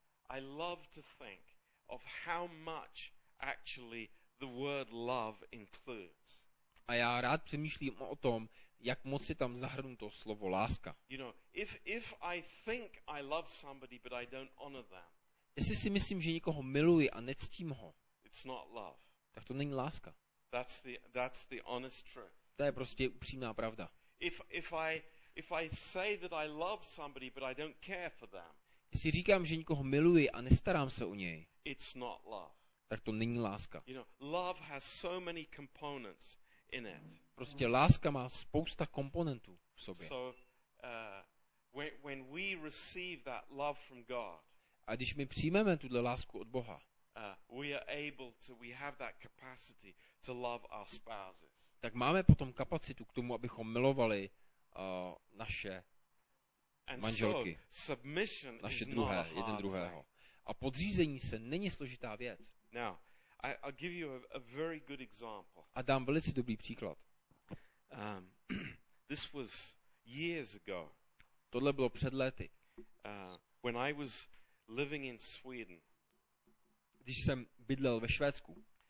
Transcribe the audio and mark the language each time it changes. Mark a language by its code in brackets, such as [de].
[en] I love to think of how much actually the word love includes. [cs] A já rád přemýšlím o tom, jak moc je tam zahrnuto slovo láska. [en] You know, if I think I love somebody but I don't honor them. [cs] Jestli si myslím, že někoho miluji a nectím ho. [en] It's not love. [cs] Tak to není láska. [en] That's the honest truth. [cs] To je prostě upřímná pravda. [en] If I say that I love somebody but I don't care for them. [cs] Jestli říkám, že někoho miluji a nestarám se o něj. [en] It's not love. [cs] Tak to není láska. [en] You know, love has so many components in it. [cs] Prostě láska má spousta komponentů v sobě. [en] So, when we receive that love from God. [cs] A když my přijmeme tuto lásku od Boha. [en] We are able to, we have that capacity to love our spouses. [cs] Tak máme potom kapacitu k tomu, abychom milovali naše manželky. [en] So, submission [cs] naše [en] is [cs] druhé, [en] not a hard [cs] jeden druhého. A podřízení se není složitá věc. [en] Now, I'll give you a very good example. [cs] A dám velice dobrý příklad. [en] This was years ago. [cs] Tohle bylo před lety. [en] When I was living in Sweden. [cs] Když jsem bydlel ve Švédsku.